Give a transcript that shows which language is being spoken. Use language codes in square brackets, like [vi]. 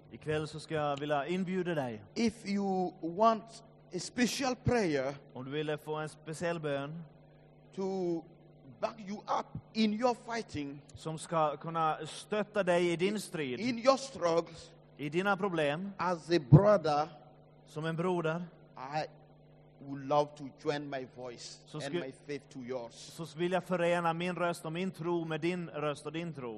[sv] I kväll så ska jag vilja inbjuda dig. [en] If you want a special prayer. [sv] Om du vill få en speciell bön. [en] To back you up in your fighting. [sv] Som ska kunna stötta dig i din strid. [en] In your struggles. [sv] I dina problem. [en] As a brother. [sv] Som en broder. [en] Would love to join my voice and my faith to yours. [sv] Så vill jag förena min röst och min tro med din röst och din tro.